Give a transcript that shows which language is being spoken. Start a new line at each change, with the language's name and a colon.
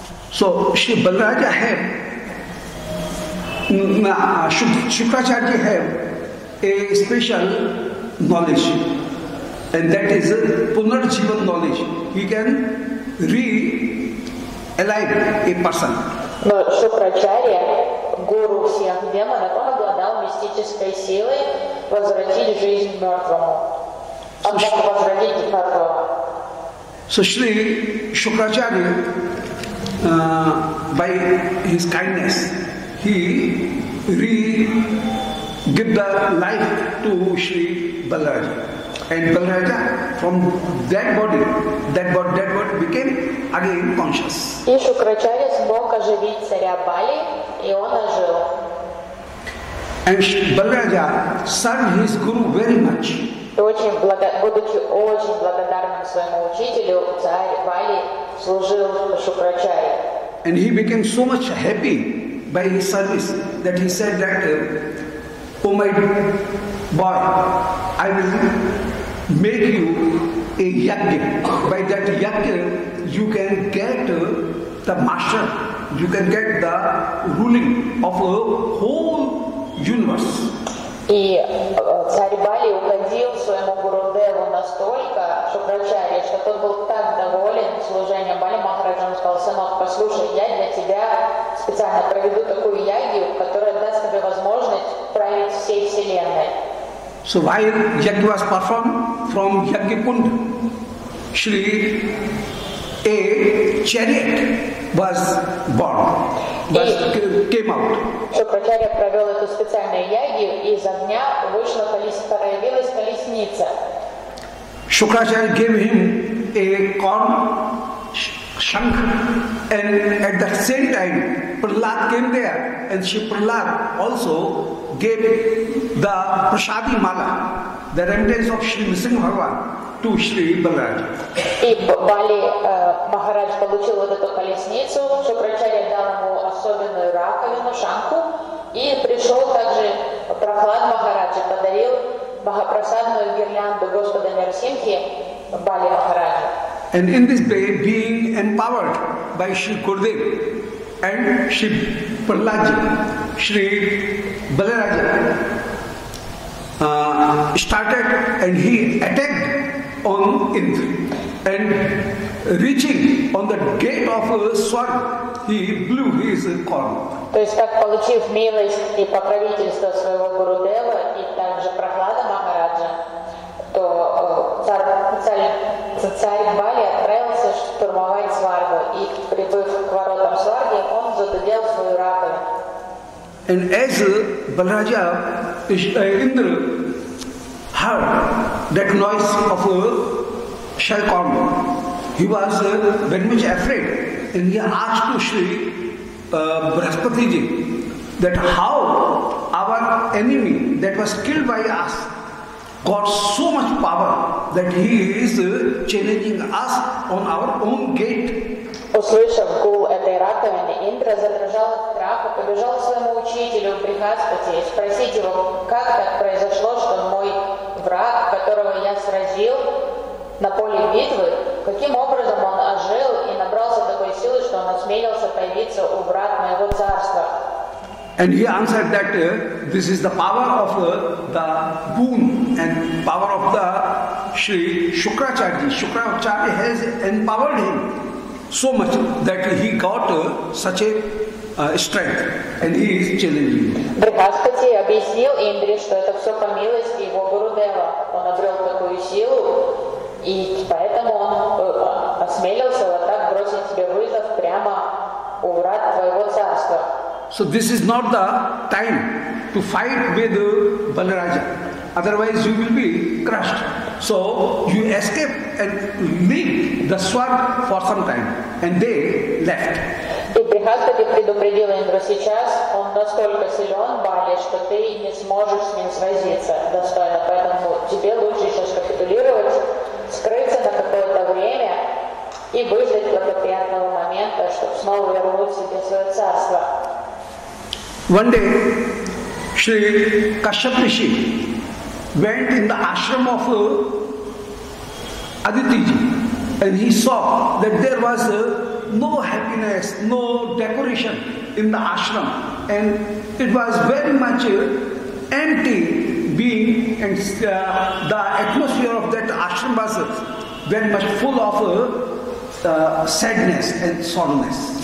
English: So, Shri Balaraja hai, Shukracharya hai, a special knowledge, and that is Punarjivan knowledge. He can re-alive a person.
Russian: Но Шукрачарья, гуру всех демонов, он обладал мистической силой возвратить жизнь мертвому. Он мог возродить мертвого.
English: So, Shri Shukracharya, by his kindness, he re-give the life to Shri Balaraja. And Balaraja, from that body became again conscious.
Russian: И Шукрачарья смог оживить царя Бали, и он ожил.
English: And Balaraja served his guru very much.
Russian: Будучи очень благодарным своему учителю, царь Бали служил Шукрачарье.
English: And he became so much happy by his service that he said that, "Oh my boy, I will make you a yagya. By that yagya, you can get the master. You can get the ruling of a whole universe."
Russian: И царь Бали угодил своему Гурудеву настолько, Шукрачарья, что тот был так доволен служением Бали Махараджа, он сказал: «Сынок, послушай, я для тебя специально проведу такую ягью, которая даст тебе возможность править всей Вселенной».
English: So while yagya was performed from Yagya Kund, Shri, a chariot was born. Came out.
Russian: Шукрачарья провел эту специальную ягью, и из огня вышла появилась колесница.
English: Шукрачарья gave him a corn shank, and at the same time Prahlad came there, and Shri Prahlad also gave the prasadi mala, the remnants of Shri Nrisimha Bhagavan, to Shri Balaraja.
Russian: И Бали Махарадж получил вот эту колесницу, Шукрачарья дал ему особенную раковину, шанку, и пришел также Прахлад Махарадж и подарил богопросадную гирлянду Господа Нарасимхи Бали Махараджа.
English: And in this way, being empowered by Shri Gurudev and Shri Prahladji, Shri Balaraja started and he attacked on Indra, and reaching on the gate of Swarg, he blew his horn.
Russian: То есть, так получив милость и покровительство своего Гурудева и также Прахлада Махараджа, то царь Бали отправился штурмовать Сваргу, и прибыв к воротам Сварги, он задудел свою раковину.
English: And as Balaraja, Indra heard that noise of a shell horn, he was very much afraid, and he asked to Shri Brihaspati ji that how our enemy that was killed by us got so much power that he is challenging us on our own gate.
Russian: Услышав гул этой раковины, Индра задрожал от страха, побежал к своему учителю Брихаспати и спросить его, как так произошло, что мой враг, которого я сразил на поле битвы, каким образом он ожил и набрался такой силы, что он осмелился появиться у врат моего царства.
English: And he answered that this is the power of the boon and power of the Shri Shukracharya. Shukracharya has empowered him so much that he got such a strength, and he is challenging.
Russian: Брихаспати объяснил Индре, что это все по милости его Гурудева. Он обрел такую силу, и поэтому он осмелился вот так бросить тебе вызов прямо у врат твоего царства.
English: So this is not the time to fight with Balaraja, otherwise you will be crushed. So you escape and leave the Swarg for some time, and they left.
Russian: И Брихаспати предупредил Индру: сейчас он настолько силен, Бали, что ты не сможешь с ним сразиться достойно, поэтому тебе лучше сейчас капитулировать, скрыться на какое-то время и выждать благоприятного момента, чтобы снова вернуть себе свое царство.
English: One day, Shri Kashyap Rishi went in the ashram of Adityji and he saw that there was no happiness, no decoration in the ashram, and it was very much empty being, and the atmosphere of that ashram was very much full of sadness and sorrowness.